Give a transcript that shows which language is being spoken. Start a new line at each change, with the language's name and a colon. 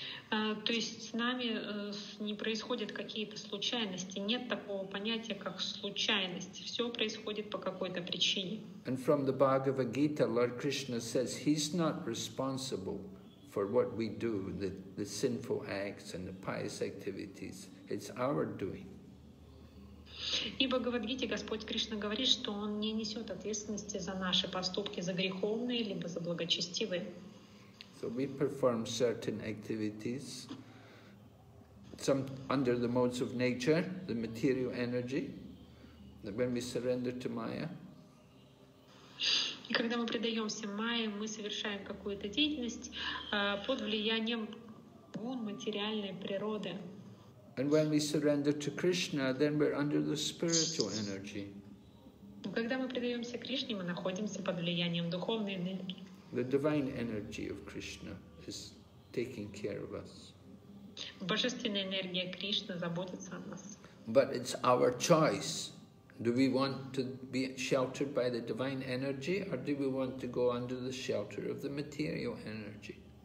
Russian: То есть с нами не происходят какие-то случайности. Нет такого понятия, как случайность. Все происходит по какой-то причине.
English: And from the Bhagavad Gita, Lord Krishna says he's not responsible for what we do, the sinful acts and the pious activities. It's our doing.
Russian: И в Бхагавад-гите Господь Кришна говорит, что Он не несет ответственности за наши поступки, за греховные, либо за благочестивые.
English: So we perform certain activities, some under the modes of nature, the material energy, that when we surrender to Maya.
Russian: И когда мы предаемся Майе, мы совершаем какую-то деятельность под влиянием гун материальной природы.
English: And when we surrender to Krishna, then we're under the spiritual energy.
Russian: Когда мы предаемся Кришне, мы находимся под влиянием духовной энергии.
English: The divine energy of Krishna is taking care of us.
Russian: Божественная энергия Кришны заботится о нас.
English: But it's our choice. Do we want to be sheltered by the divine energy, or do we want to go under the shelter of the material energy?